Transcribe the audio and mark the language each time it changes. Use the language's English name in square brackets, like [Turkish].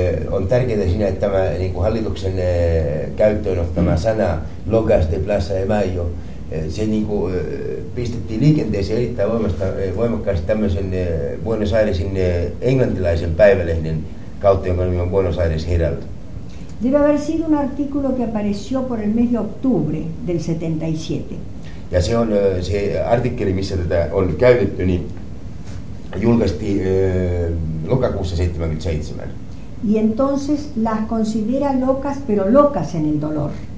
[Finnish] On tärkeää siinä, että tämä niin kuin hallituksen käyttöön ottama sana Locas de Plaza de Mayo, se niin kuin, pistettiin liikenteeseen erittäin voimakkaasti tämmöisen Buenos Airesin englantilaisen päivälehden kautta, jonka nimi on Buenos Aires Herald. [Spanish] Debe haber sido un artículo que apareció por el mes de octubre del 77. [Finnish] Ja se on se artikkeli, missä tätä on käytetty, niin julkaistiin lokakuussa 77. [Spanish] Y entonces las considera locas, pero locas en el dolor.